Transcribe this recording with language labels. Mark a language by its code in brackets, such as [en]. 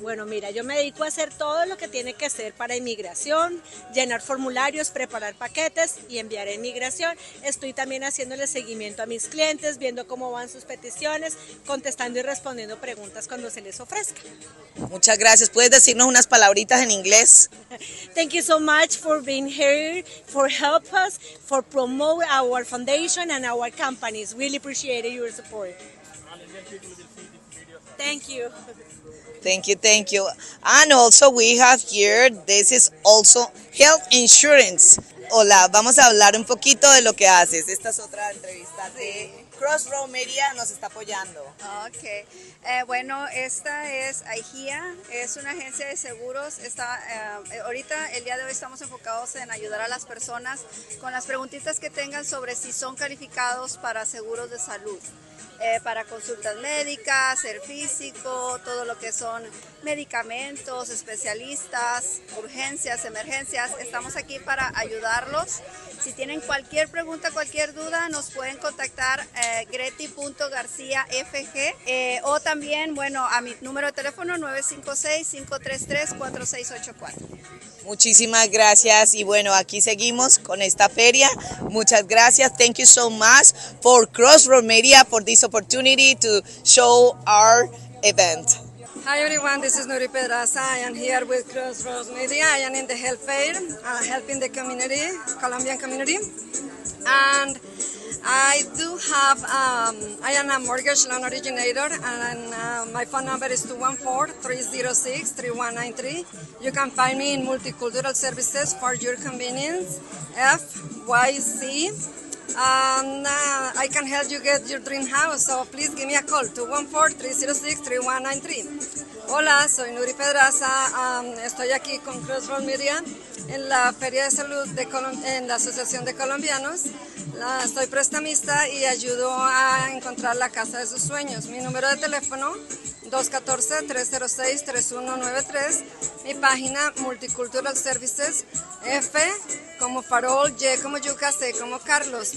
[es] Bueno, mira, yo me dedico a hacer todo lo que tiene que hacer para inmigración, llenar formularios, preparar paquetes y enviar a inmigración. Estoy también haciéndole seguimiento a mis clientes, viendo cómo van sus peticiones, contestando y respondiendo preguntas cuando se les ofrezca. Muchas gracias. ¿Puedes decirnos unas palabritas en inglés? [en] Thank you so much for being here, for help us, for promote our foundation and our companies. Really appreciate your support. Thank you. Thank you, thank you. And also we have here, this is also health insurance. [es] Hola, vamos a hablar un poquito de lo que haces. Esta es otra entrevista de Crossroad Media, nos está apoyando. Ok, bueno, esta es IGEA, es una agencia de seguros. Ahorita, el día de hoy, estamos enfocados en ayudar a las personas con las preguntitas que tengan sobre si son calificados para seguros de salud. Para consultas médicas, ser físico, todo lo que son medicamentos, especialistas, urgencias, emergencias. Estamos aquí para ayudarlos. Si tienen cualquier pregunta, cualquier duda, nos pueden contactar greti.garciafg o también, bueno, a mi número de teléfono 956-533-4684. Muchísimas gracias y bueno, aquí seguimos con esta feria. Muchas gracias. [en] Thank you so much for Crossroad Media for this opportunity to show our event. Hi everyone, this is Nuri Pedraza. I am here with Crossroads Media. I am in the health fair, helping the community, Colombian community. And I do have, I am a mortgage loan originator, and my phone number is 214-306-3193. You can find me in Multicultural Services for your convenience, FYC. I can help you get your dream house, so please give me a call, 214-306-3193. [es] Hola, soy Nuri Pedraza, estoy aquí con Crossroad Media en la Feria de Salud de en la Asociación de Colombianos. Soy prestamista y ayudo a encontrar la casa de sus sueños. Mi número de teléfono, 214-306-3193. Mi página Multicultural Services, F como Farol, Y como Yuca, C como Carlos.